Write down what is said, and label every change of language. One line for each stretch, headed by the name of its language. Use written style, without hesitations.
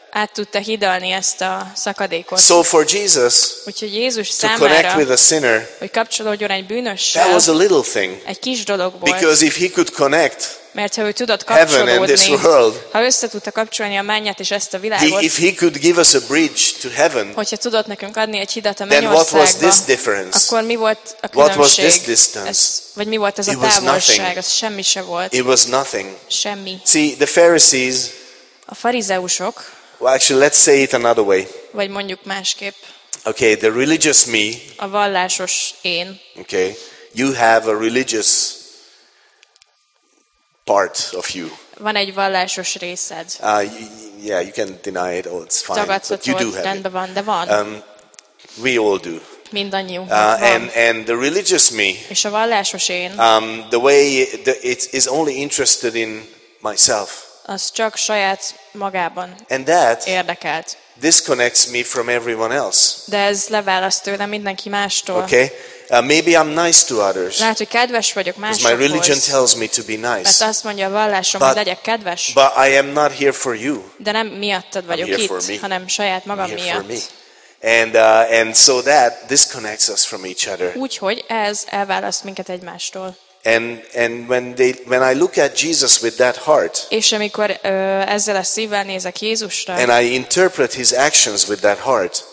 Hungarian: Át tudta hidalni ezt a szakadékot.
English: So for Jesus,
Hungarian: úgyhogy Jézus
English: to
Hungarian: számára,
English: connect with a sinner,
Hungarian: hogy kapcsolódjon egy bűnössel,
English: that was a little thing.
Hungarian: Egy kis dolog volt.
English: Because if he could connect,
Hungarian: mert ha ő tudott kapcsolódni, ha össze tudta kapcsolni a mennyet és ezt a világot,
English: if he could give us a bridge to heaven,
Hungarian: hogyha tudott nekünk adni egy hidat a mennyországba, akkor mi volt a különbség?
English: What was this distance?
Hungarian: Vagy mi volt ez a távolság? Ez semmi se volt.
English: It was nothing.
Hungarian: Semmi.
English: See, the Pharisees,
Hungarian: a farizeusok,
English: well, actually, let's say it another way.
Hungarian: Vagy mondjuk másképp.
English: Okay, the religious me,
Hungarian: a vallásos én.
English: Okay, you have a religious part of you.
Hungarian: Van egy vallásos részed.
English: Yeah, you can deny it. Oh, it's fine.
Hungarian: Tagadhatod,
English: you do have
Hungarian: rendben
English: it.
Hungarian: Van, de van.
English: We all do.
Hungarian: Mindannyiunk.
English: And the religious me.
Hungarian: És a vallásos én.
English: The way it is only interested in myself.
Hungarian: Az csak saját magában.
English: And that
Hungarian: érdekelt.
English: Disconnects me from everyone else.
Hungarian: De ez leválaszt tőlem mindenki mástól.
English: Okay. Maybe I'm nice to others.
Hungarian: Lehet, hogy kedves vagyok másokhoz.
English: My religion tells me to be nice.
Hungarian: Mert azt mondja a vallásom, hogy legyek kedves.
English: But I am not here for you.
Hungarian: De nem miattad vagyok
English: I'm here
Hungarian: itt,
English: for me.
Hungarian: Hanem saját magam
English: I'm here
Hungarian: miatt.
English: For me. And so that disconnects us from each other.
Hungarian: Úgyhogy ez elválaszt minket egymástól.
English: And when I look at Jesus with that heart, és amikor ezzel a szívvel nézek Jézusra, and I interpret his actions with that heart,